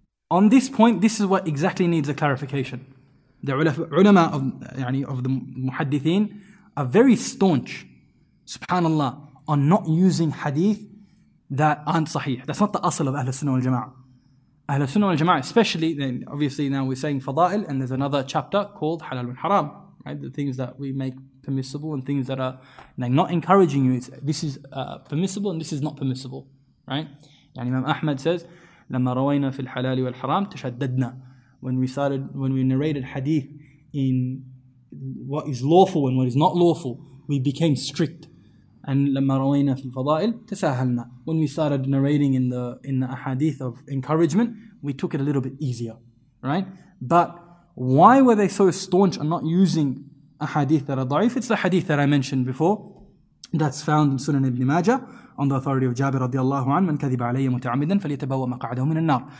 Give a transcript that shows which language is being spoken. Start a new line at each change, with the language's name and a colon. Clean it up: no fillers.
English: On this point, this is what exactly needs a clarification. The ulama of yani of the muhaddithin are very staunch, subhanAllah, on not using hadith that aren't sahih. That's not the asl of Ahl al-Sunnah wal-Jama'ah. Ahlul Sunnah wal Jama'ah, especially, then obviously now we're saying Fada'il, and there's another chapter called Halal and Haram, right? The things that we make permissible and things that are like, not encouraging you. This is permissible and this is not permissible, right? And Imam Ahmad says,
Arabic: لَمَّا رَوَيْنَا فِي الْحَلَالِ وَالْحَرَامِ تَشَدَّدْنَا.
English: When we narrated hadith in what is lawful and what is not lawful, we became strict. And
Arabic: لَمَّا رَوَيْنَا فِي الْفَضَائِلِ تَسَاهَلْنَا.
English: When we started narrating in the ahadith of encouragement, we took it a little bit easier, right? But why were they so staunch on not using ahadith that are da'if? It's the hadith that I mentioned before that's found in Sunan Ibn Majah on the authority of Jabir radiallahu anhu,
Arabic: مَنْ كَذِبَ عَلَيَّ مُتَعَمِدًا فَلِيَتَبَوَّ مَقَعَدَهُ مِنَ النَّارِ.